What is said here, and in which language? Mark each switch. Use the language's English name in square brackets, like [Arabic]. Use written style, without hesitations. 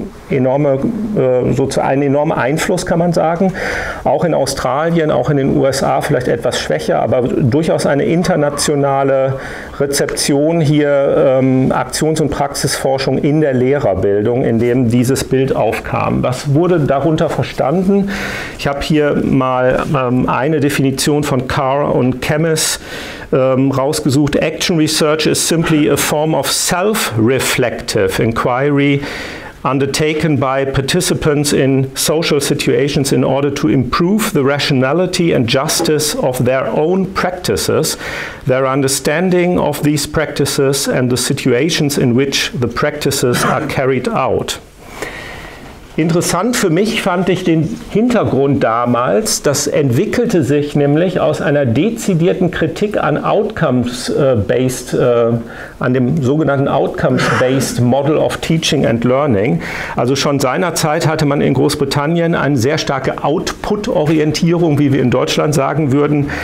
[German] enormen Einfluss, kann man sagen, auch in Australien, auch in den USA, vielleicht etwas schwächer, aber durchaus eine internationale Rezeption hier, Aktions- und Praxisforschung in der Lehrerbildung, in dem dieses Bild aufkam. Was wurde darunter verstanden? Ich habe hier mal eine Definition von Carr und Chemis rausgesucht. [English] Action Research is simply a form of self-reflective inquiry undertaken by participants in social situations in order to improve the rationality and justice of their own practices, their understanding of these practices and the situations in which the practices are carried out. [German] Interessant für mich fand ich den Hintergrund damals. Das entwickelte sich nämlich aus einer dezidierten Kritik an Outcomes-based, an dem sogenannten [English] Outcomes-based Model of Teaching and Learning. [German] Also schon seinerzeit hatte man in Großbritannien eine sehr starke Output-Orientierung, wie wir in Deutschland sagen würden.